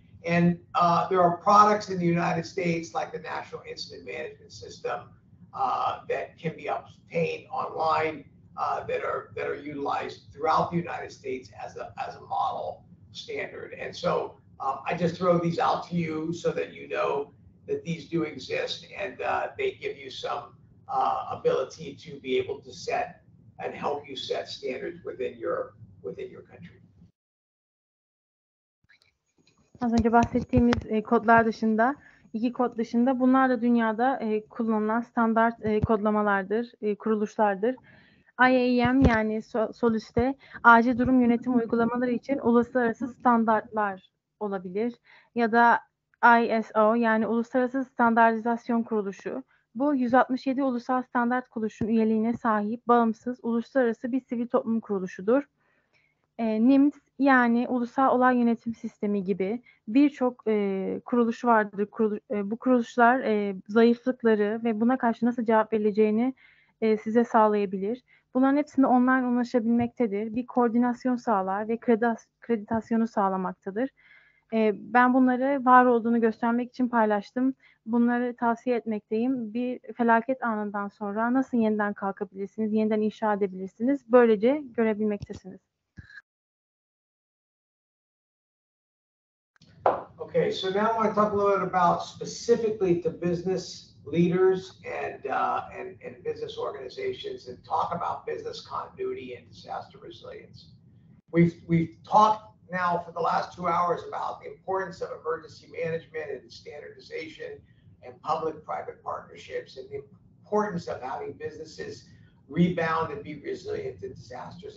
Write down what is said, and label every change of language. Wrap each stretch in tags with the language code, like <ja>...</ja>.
<en>And there are products in the United States like the National Incident Management System that can be obtained online that are utilized throughout the United States as a model standard. And so I just throw these out to you so that you know that these do exist and they give you some ability to be able to set and help you set standards within your country.</en> <tr>Az önce bahsettiğimiz kodlar dışında, iki kod dışında bunlar da dünyada kullanılan standart kodlamalardır, kuruluşlardır. IAM yani Solus'te acil durum yönetim uygulamaları için uluslararası standartlar olabilir. Ya da ISO yani Uluslararası Standartizasyon Kuruluşu. Bu 167 ulusal standart kuruluşun üyeliğine sahip bağımsız uluslararası bir sivil toplum kuruluşudur. NIMS yani Ulusal Olay Yönetim Sistemi gibi birçok kuruluş vardır. Bu kuruluşlar zayıflıkları ve buna karşı nasıl cevap verileceğini size sağlayabilir. Bunların hepsine online ulaşabilmektedir. Bir koordinasyon sağlar ve kreditasyonu sağlamaktadır. Ben bunları var olduğunu göstermek için paylaştım. Bunları tavsiye etmekteyim. Bir felaket anından sonra nasıl yeniden kalkabilirsiniz, yeniden inşa edebilirsiniz, böylece görebilmektesiniz.</tr> <en>Okay, so now I want to talk a little bit about specifically to business leaders and business organizations and talk about business continuity and disaster resilience. We've talked now for the last 2 hours about the importance of emergency management and standardization and public-private partnerships and the importance of having businesses rebound and be resilient to disasters.</en>